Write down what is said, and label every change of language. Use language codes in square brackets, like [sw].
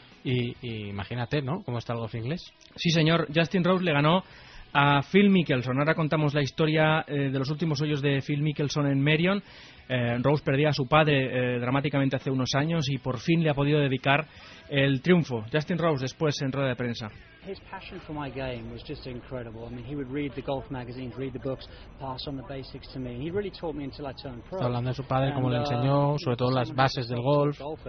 [es] Y imagínate, ¿no?, cómo está el golf inglés. Sí, señor. Justin Rose le ganó a Phil Mickelson. Ahora contamos la historia de los últimos hoyos de Phil Mickelson en Merion. Rose perdía a su padre dramáticamente hace unos años y por fin le ha podido dedicar el triunfo. Justin Rose después en rueda de prensa. [en] His passion for my game was just incredible. I mean, he would read the golf magazines, read the books, pass on the basics to me. He really taught me until I turned pro. [es] Está hablando de su padre, cómo le enseñó, sobre todo las bases del golf.